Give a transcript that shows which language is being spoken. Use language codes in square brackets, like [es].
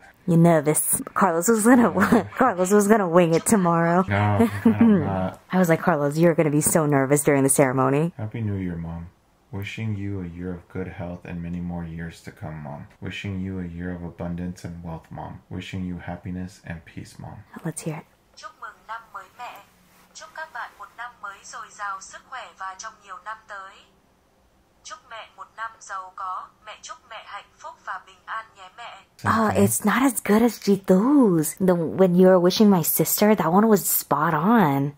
[en] You nervous? Carlos was gonna Carlos was gonna wing it tomorrow. No, I was like, Carlos, you're gonna be so nervous during the ceremony. Happy New Year, Mom. Wishing you a year of good health and many more years to come, Mom. Wishing you a year of abundance and wealth, Mom. Wishing you happiness and peace, Mom. Let's hear it. [vi] Chúc mừng năm mới mẹ. Chúc các bạn một năm mới dồi dào sức khỏe và trong nhiều năm tới. Chúc mẹ một năm giàu có. Mẹ chúc mẹ hạnh phúc và bình an nhé mẹ. [en] Oh, it's not as good as Jitu's. When you were wishing my sister, that one was spot on.